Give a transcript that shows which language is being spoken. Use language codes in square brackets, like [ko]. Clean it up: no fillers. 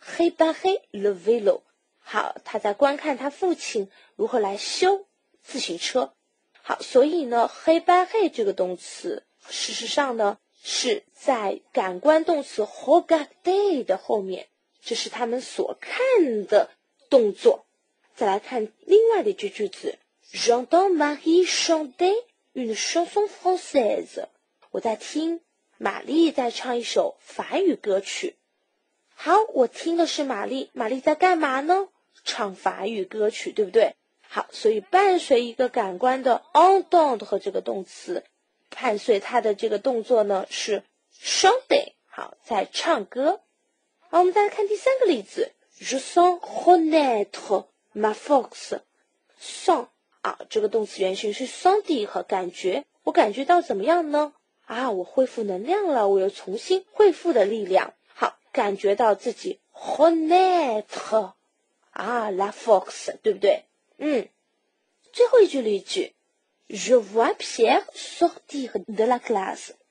[fr] Réparer le vélo。 [zh] 好，他在观看他父亲如何来修自行车。好，所以呢 ,Réparer 这个动词事实上呢是在感官动词 regarder 的后面，这是他们所看的动作。再来看另外的一句句子， [fr] J'entends Marie chanter une chanson française。 [zh] 我在听玛丽在唱一首法语歌曲。好，我听的是玛丽，玛丽在干嘛呢？唱法语歌曲，对不对？好，所以伴随一个感官的 entendre 和这个动词，伴随它的这个动作呢是 chanter， 好，在唱歌。好，我们再来看第三个例子， [fr] Je sens renaître ma force。 [zh] sens 啊，这个动词原形是 sentir 和感觉，我感觉到怎么样呢？啊，我恢复能量了，我又重新恢复的力量。好，感觉到自己 renaître 啊 la force， 对不对？嗯，最后一句例句， [fr] Je vois Pierre sortir de la classe。